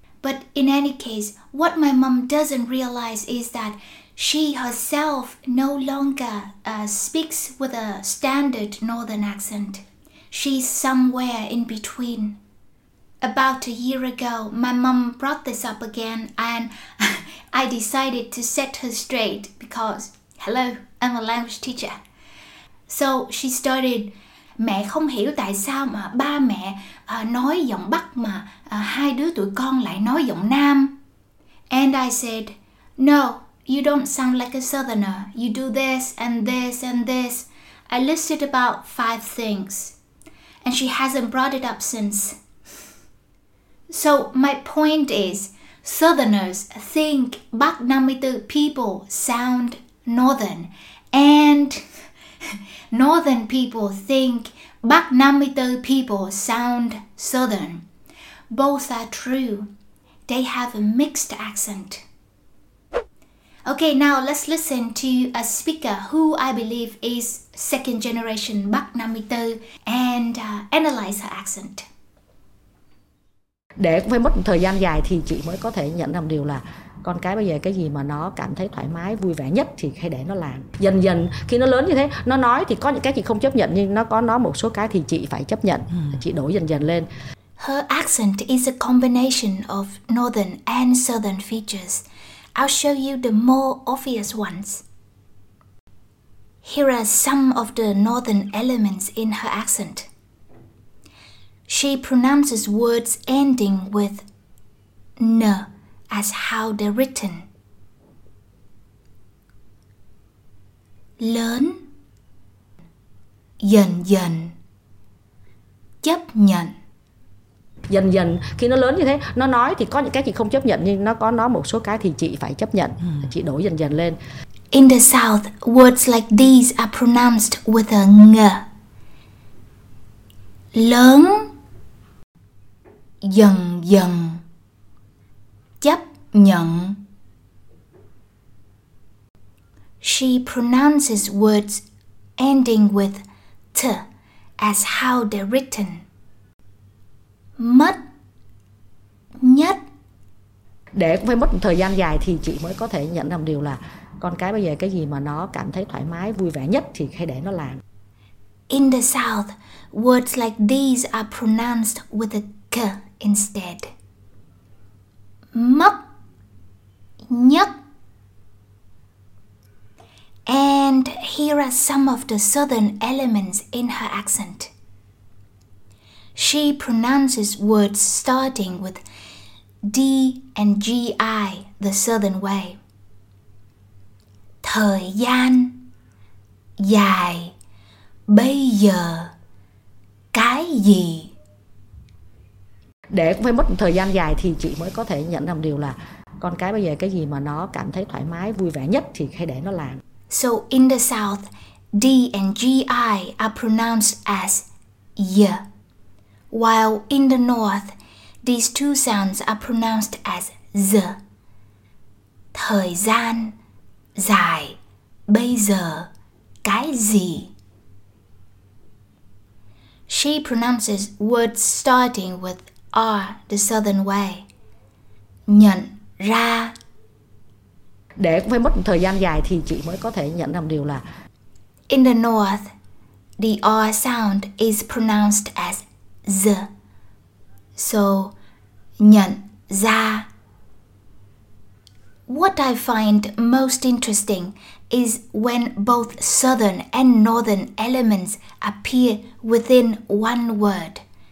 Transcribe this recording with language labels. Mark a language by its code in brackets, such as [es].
[en] But in any case, what my mom doesn't realize is that she herself no longer speaks with a standard Northern accent. She's somewhere in between. About a year ago, my mom brought this up again and I decided to set her straight because, hello, I'm a language teacher. So she started, [vi] mẹ không hiểu tại sao mà ba mẹ nói giọng Bắc mà hai đứa tụi con lại nói giọng Nam. [en] And I said, no, you don't sound like a southerner. You do this and this and this. I listed about 5 things. And she hasn't brought it up since. So my point is, Southerners think Bắc 54 people sound Northern, and Northern people think Bắc 54 people sound Southern. Both are true. They have a mixed accent. Okay, now let's listen to a speaker who I believe is second generation Bắc 54 and analyze her accent. [vi] để cũng phải mất một thời gian dài thì chị mới có thể nhận ra một điều là con cái bây giờ cái gì mà nó cảm thấy thoải mái, vui vẻ nhất thì hãy để nó làm. Dần dần khi nó lớn như thế, nó nói thì có những cái chị không chấp nhận, nhưng nó có nói một số cái thì chị phải chấp nhận, chị đổi dần dần lên. [en] Her accent is a combination of northern and southern features. I'll show you the more obvious ones. Here are some of the northern elements in her accent. She pronounces words ending with N as how they're written. [vi] Learn, dần dần, chấp nhận. Dần dần khi nó lớn như thế, nó nói thì có những cái chị không chấp nhận, nhưng nó có nói một số cái thì chị phải chấp nhận, chị đổi dần dần lên. [en] In the South, words like these are pronounced with a ng. [vi] Lớn, dần dần, chấp nhận. [en] She pronounces words ending with t as how they're written. [vi] Mất, nhất. Để cũng phải mất một thời gian dài thì chị mới có thể nhận ra một điều là con cái bây giờ cái gì mà nó cảm thấy thoải mái, vui vẻ nhất thì hãy để nó làm. [en] In the South, words like these are pronounced with a k instead. [vi] Mất, nhất. [en] And here are some of the southern elements in her accent. She pronounces words starting with D and G-I the southern way. [vi] Thời gian, dài, bây giờ, cái gì? Để cũng phải mất một thời gian dài thì chị mới có thể nhận ra một điều là con cái bây giờ cái gì mà nó cảm thấy thoải mái, vui vẻ nhất thì hãy để nó làm. [en] So in the South, D and G-I are pronounced as Y. While in the North, these two sounds are pronounced as Z. [vi] Thời gian, dài, bây giờ, cái gì? [en] She pronounces words starting with R the southern way. [vi] Nhận ra. Để cũng phải mất một thời gian dài thì chị mới có thể nhận ra một điều là [en] in the North, the R sound is pronounced as Z. So, nhận ra. What I find most interesting is when both southern and northern elements appear within one word.